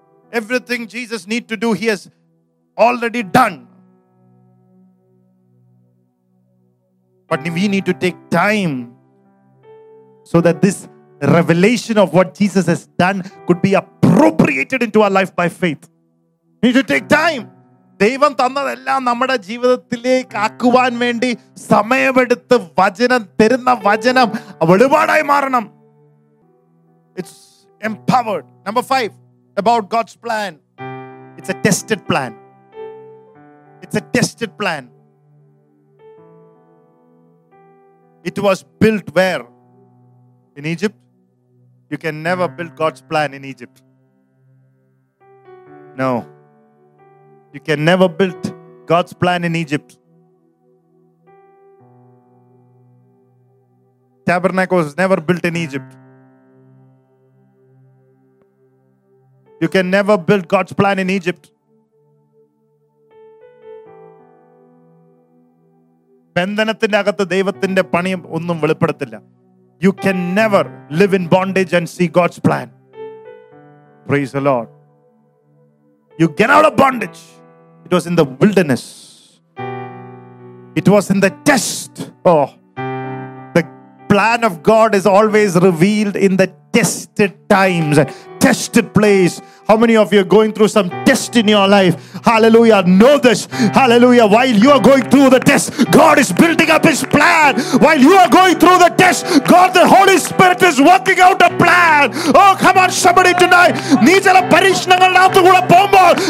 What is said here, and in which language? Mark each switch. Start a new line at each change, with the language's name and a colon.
English: Everything Jesus needs to do, He has already done. But we need to take time so that this revelation of what Jesus has done could be appropriated into our life by faith. We need to take time.
Malayalam: ദൈവം തന്നതെല്ലാം നമ്മുടെ ജീവിതത്തിലേക്ക് ആക്കുവാൻ വേണ്ടി സമയമെടുത്ത് വചനം തരുന്ന വചനം വെളിപാടായി മാറണം.
English: It's empowered. Number five, about God's plan. It's a tested plan. It's a tested plan. It was built where? In Egypt? You can never build God's plan in Egypt. No. You can never build God's plan in Egypt. Tabernacle was never built in Egypt. You can never build God's plan in Egypt.
Malayalam: ബന്ധനത്തിന്റെ അകത്ത് ദൈവത്തിന്റെ പണി ഒന്നും വെളിപ്പെടുത്തില്ല.
English: You can never live in bondage and see God's plan. Praise the Lord. You get out of bondage. It was in the wilderness. It was in the test. Oh, the plan of God is always revealed in the tested times, tested place. How many of you are going through some test in your life? Hallelujah. Know this. Hallelujah. While you are going through the test, God is building up His plan. While you are going through the test, God, the Holy Spirit is working out a plan. Oh, come on, somebody tonight.
Malayalam: Nee chala parishnangal naathu kuda pombol.